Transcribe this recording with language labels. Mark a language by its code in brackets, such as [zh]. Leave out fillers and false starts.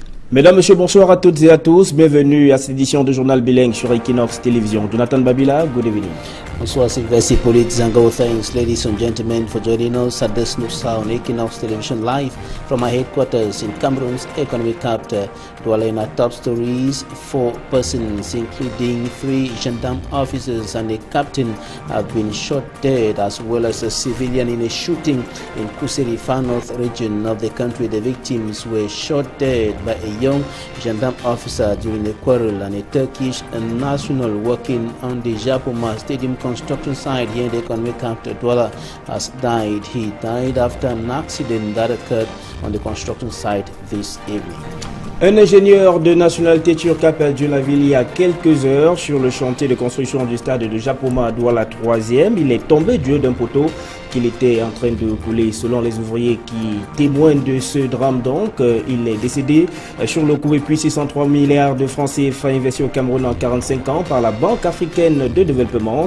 [fr] « Mesdames, Messieurs, bonsoir à toutes et à tous. Bienvenue à cette édition de Journal Bilingue sur Equinox Télévision. [en] Jonathan Babila, good evening. [fr] Bonsoir, Sylvester Polit Zango. [en] Thanks, ladies and gentlemen, for joining us at this new sound, Equinox Television Live from our headquarters in Cameroon's economic capital, Douala. In our top stories, 4 persons, including 3 gendarme officers and a captain, have been shot dead, as well as a civilian in a shooting in Kusiri, far north region of the country. The victims were shot dead by a young gendarme officer during a quarrel, and a Turkish national working on the Japoma Stadium construction site here in the economic capital Douala has died. He died after an accident that occurred on the construction site this evening. [fr] Un ingénieur de nationalité turque a perdu la vie il y a quelques heures sur le chantier de construction du stade de Japoma à Douala 3e. Il est tombé du haut d'un poteau qu'il était en train de couler. Selon les ouvriers qui témoignent de ce drame, donc, il est décédé sur le coup. Et puis 603 milliards de francs CFA investis au Cameroun en 45 ans par la Banque africaine de développement.